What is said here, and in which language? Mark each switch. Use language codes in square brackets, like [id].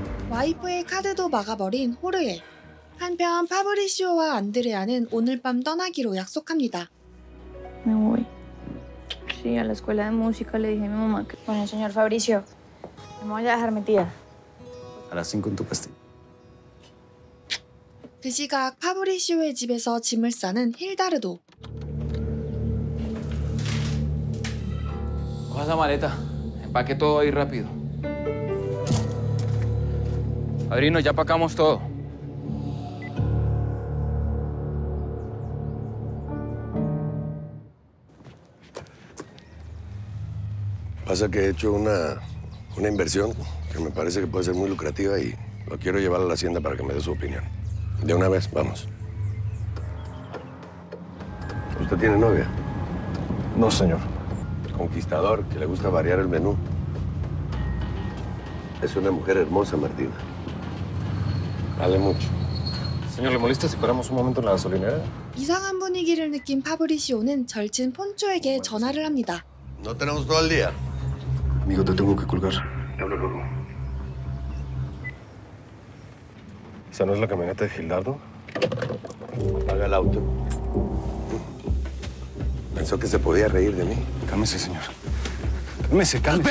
[ko] Waifu의 카드도 막아버린 호르에. 한편 파브리시오와 안드레아는 오늘 밤 떠나기로 약속합니다. [es] Me voy. Sí, a la escuela de música le dije a mi mamá que... Bueno, señor Fabrizio, me voy a dejar metida. A las 5 en tu castillo. [ko] 그 시각 파브리시오의 집에서 짐을 싸는 힐다르도. [es] Coja esa maleta. Empaque todo ahí rápido. Padrino, ya empacamos todo. Pasa que he hecho una inversión que me parece que puede ser muy lucrativa y lo quiero llevar a la hacienda para que me dé su opinión. De una vez, vamos. ¿Usted tiene novia? No, señor. Conquistador, que le gusta variar el menú. Es una mujer hermosa, Martina. Vale mucho. Señor, ¿le molesta si paramos un momento en la gasolinera? [ko] 이상한 분위기를 느낀 파브리시오는 절친 폰초에게 전화를 합니다. [es] No tenemos todo el día. Amigo, te tengo que colgar. Te hablo luego. ¿Esa no es la camioneta de Gildardo? Apaga el auto. Pensó que se podía reír de mí. Cálmese, señor. Cálmese, cálmese.